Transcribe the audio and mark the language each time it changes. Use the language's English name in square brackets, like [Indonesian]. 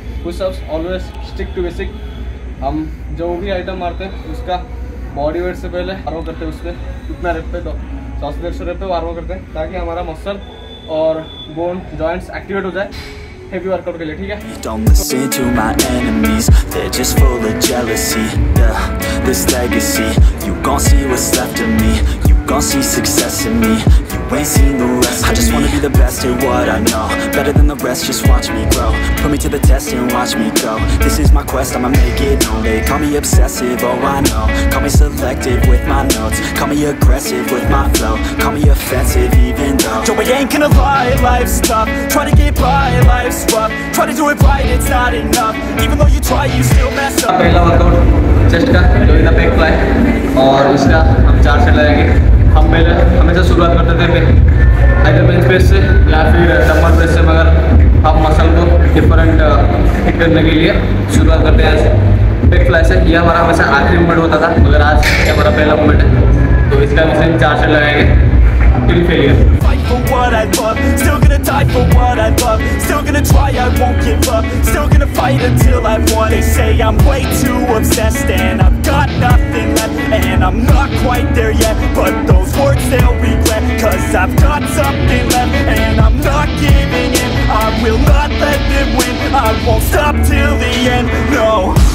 [Hindi] Pushups always stick to basic, हम जो भी आइटम मारते हैं उसका बॉडी वेट से पहले वार्म अप करते हैं, उसमें उतना रेप पे तो 100-150 रेप पे वार्म अप करते हैं ताकि हमारा मसल और बोन जॉइंट्स एक्टिवेट हो जाए हैवी वर्कआउट के लिए, ठीक है। [English] Gonna see success in me, you ain't seen the rest. I just wanna be the best at what I know, better than the rest, just watch me grow. Put me to the test and watch me go, this is my quest, I'ma make it known. They call me obsessive, oh I know, call me selective with my notes, call me aggressive with my flow, call me offensive even though Joey ain't gonna lie, life's tough, try to get by, life's rough, try to do it right, it's not enough, even though you try, you still mess up. [Hindi] Pehla workout chest ka, [English] doing the back fly [Hindi] और उसका हम 4 set लगाएंगे। हम पहले हमेशा शुरुआत करते थे आइदर बेंच प्रेस से या फिर डंबल प्रेस से, मगर हम मसल को डिफरेंट हिट करने के लिए शुरुआत करते हैं आज बैक फ्लाई से। यह हमारा हमेशा आखिरी मूवमेंट होता था मगर आज यह हमारा पहला मूवमेंट है। तो इसका हम सिर्फ 4 सेट लगाएंगे till failure. [English] Fight for what I love, still gonna try, I won't give up, still gonna fight until I've won. They say I'm way too obsessed and I've got nothing left, and I'm not quite there yet, but those words they'll regret, cause I've got something left, and I'm not giving in, I will not let them win, I won't stop till the end, no.